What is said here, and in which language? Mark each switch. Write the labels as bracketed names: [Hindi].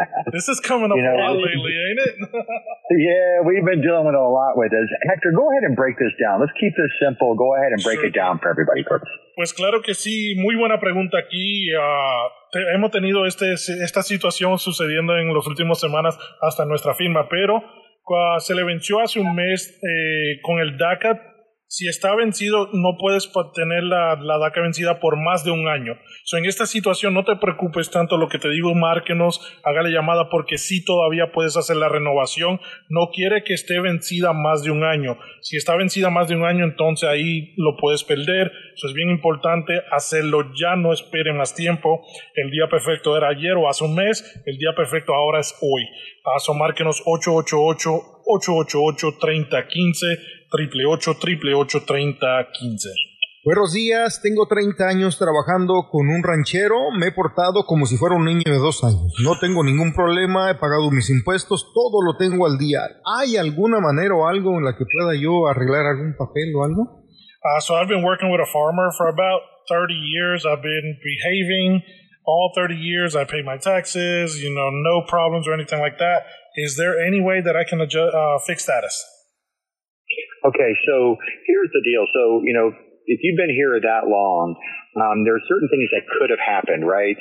[English] This is coming up a lot lately, ain't it? Yeah, we've been dealing with a lot with this. Hector, go ahead and break this down. Let's keep this simple. Go ahead and break it down for everybody. [Spanish] Pues claro que sí. Muy buena pregunta aquí. Hemos tenido esta situación sucediendo en las últimas semanas hasta nuestra firma, pero se le venció hace un mes con el DACA. Si está vencido, no puedes tener la DACA vencida por más de un año. So, en esta situación, no te preocupes tanto. Lo que te digo, márquenos, hágale llamada, porque sí todavía puedes hacer la renovación. No quiere que esté vencida más de un año. Si está vencida más de un año, entonces ahí lo puedes perder. Eso es bien importante, hacerlo ya, no espere más tiempo. El día perfecto era ayer o hace un mes. El día perfecto ahora es hoy. Paso, márquenos 888-888-3015. 888-888-3015. Buenos días, tengo 30 años trabajando con un ranchero. Me he portado como si fuera un niño de 2 años. No tengo ningún problema, he pagado mis impuestos, todo lo tengo al día. ¿Hay alguna manera o algo en la que pueda yo arreglar algún papel o algo? [English] So I've been working with a farmer for about 30 years. I've been behaving all 30 years. I pay my taxes, you know, no problems or anything like that. Is there any way that I can fix status? Okay, so here's the deal. So, you know, if you've been here that long, there are certain things that could have happened, right?